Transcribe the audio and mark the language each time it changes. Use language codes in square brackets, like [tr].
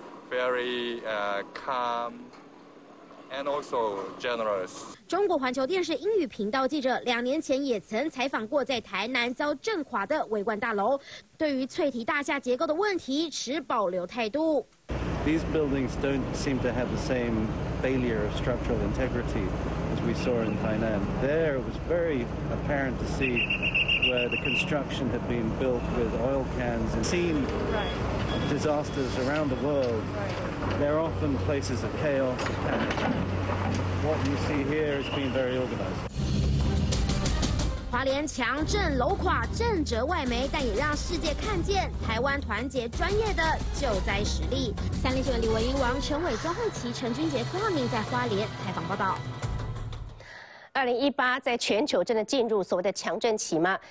[en] Very calm and also generous. [zh] 中国环球电视英语频道记者两年前也曾采访过在台南遭震垮的桂冠大楼，对于翠堤大厦结构的问题持保留态度。 [en] These buildings don't seem to have the same failure of structural integrity as we saw in Tainan. There it was very apparent to see where the construction had been built with oil cans and seen. Disasters around the world, they're often places of chaos. What you see here has been very organized. [zh] 花莲强震楼垮，震折外媒，但也让世界看见台湾团结专业的救灾实力。三立新闻李维英、王成伟、庄慧琪、陈君杰、柯浩宁在花莲采访报道。 2018在全球真的进入所谓的强震期吗？